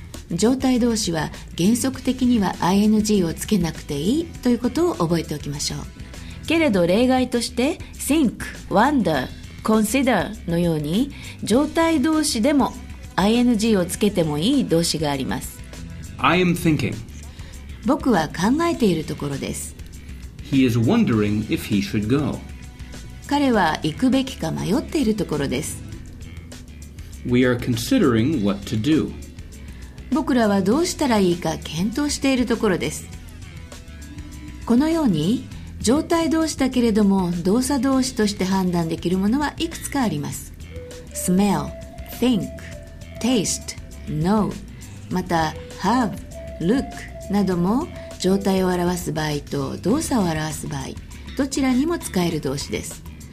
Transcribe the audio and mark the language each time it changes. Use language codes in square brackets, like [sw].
[ja] 状態動詞は原則的には ing をつけなくていいということを覚えておきましょう。けれど例外として think、 wonder、 consider のように状態動詞でも ing をつけてもいい動詞があります。 [en] I am thinking、 [ja] 僕は考えているところです。 [en] He is wondering if he should go、 [ja] 彼は行くべきか迷っているところです。 [en] We are considering what to do. [ja] 僕らはどうしたらいいか検討しているところです。このように状態動詞だけれども動作動詞として判断できるものはいくつかあります。 Smell, think, taste, know、 また have, look なども状態を表す場合と動作を表す場合、どちらにも使える動詞です。